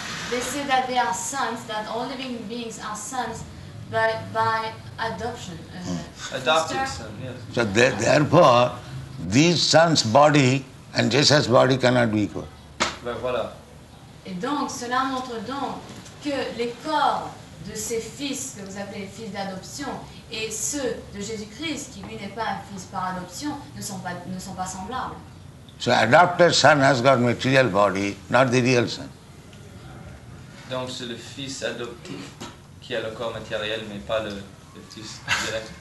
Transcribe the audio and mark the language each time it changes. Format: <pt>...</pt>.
<en>They say that they are sons, that all living beings are sons, but by adoption. Adopted son, yes. So therefore, these sons' body and Jesus' body cannot be equal.</en> <fr>Ben voilà. Et donc, cela montre donc que les corps de ces fils, que vous appelez les fils d'adoption, et ceux de Jésus-Christ, qui lui n'est pas un fils par adoption, ne sont pas semblables.</fr> <en>So, adopted son has got material body, not the real son.</en> <fr>Donc, c'est le fils adopté qui a le corps matériel, mais pas le fils direct.</fr>